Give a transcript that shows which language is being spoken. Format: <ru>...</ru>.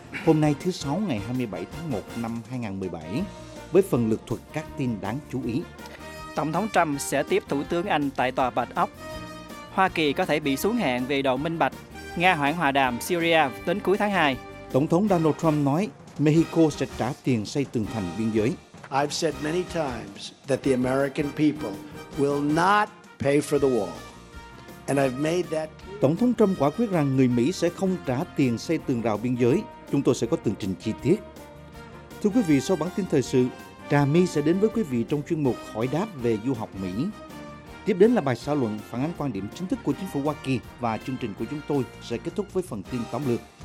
<vi>Hôm nay thứ Sáu ngày 27 tháng 1 năm 2017, với phần lược thuật các tin đáng chú ý. Tổng thống Trump sẽ tiếp Thủ tướng Anh tại Tòa Bạch Ốc. Hoa Kỳ có thể bị xuống hạng về độ minh bạch. Nga hoãn hòa đàm Syria đến cuối tháng 2. Tổng thống Donald Trump nói Mexico sẽ trả tiền xây tường thành biên giới.</vi> <en>I've said many times that the American people will not pay for the wall. And I've made that.</en> <vi>Tổng thống Trump quả quyết rằng người Mỹ sẽ không trả tiền xây tường rào biên giới. Chúng tôi sẽ có tường trình chi tiết. Thưa quý vị, sau bản tin thời sự, Trà My sẽ đến với quý vị trong chuyên mục Hỏi đáp về du học Mỹ. Tiếp đến là bài xã luận phản ánh quan điểm chính thức của chính phủ Hoa Kỳ và chương trình của chúng tôi sẽ kết thúc với phần tin tóm lược.</vi>